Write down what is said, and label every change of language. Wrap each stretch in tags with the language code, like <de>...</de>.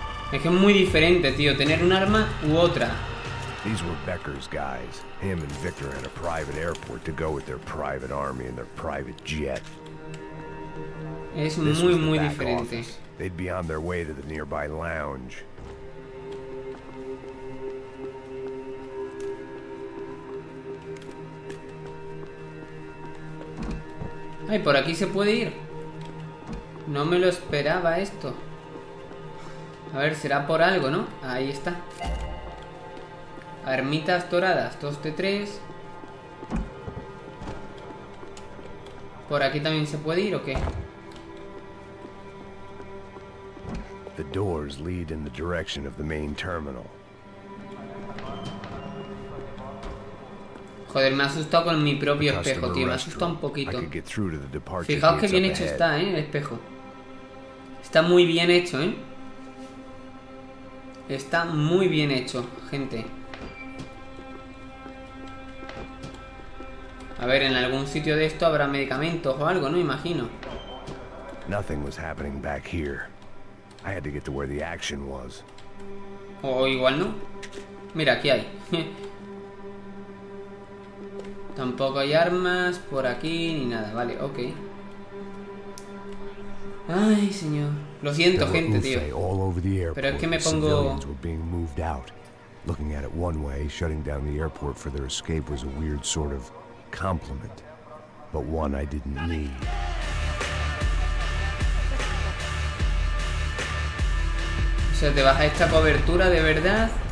<es>Es que es muy diferente, tío, tener un arma u otra.</es> <en>These were Becker's guys. Him and Victor had a private airport to go with their private army and their private jet.</en> <es>Es muy, muy diferente.</es> <en>They'd be on their way to the nearby lounge.</en> <es>Ay, por aquí se puede ir. No me lo esperaba esto. A ver, será por algo, ¿no? Ahí está. Ermitas doradas, 2 de 3. ¿Por aquí también se puede ir o qué?</es> <en>The doors lead in the direction of the main terminal.</en> <es>Joder, me ha asustado con mi propio espejo, tío. Me ha asustado un poquito. Fijaos que bien hecho está, el espejo. Está muy bien hecho, Está muy bien hecho, gente. A ver, en algún sitio de esto habrá medicamentos o algo, ¿no? Imagino.</es> <en>Nothing was happening back here. I had to get to where the action was.</en> <es>O igual no. Mira, aquí hay. Tampoco hay armas por aquí ni nada. Vale, ok. Ay, señor. Lo siento, gente, tío. Pero es que me pongo...</es> <en>Civilians were being moved out. Looking at it one way, shutting down the airport for their escape was a weird sort of compliment, but one I didn't need.</en> <es>O sea, te baja esta cobertura de verdad.</es>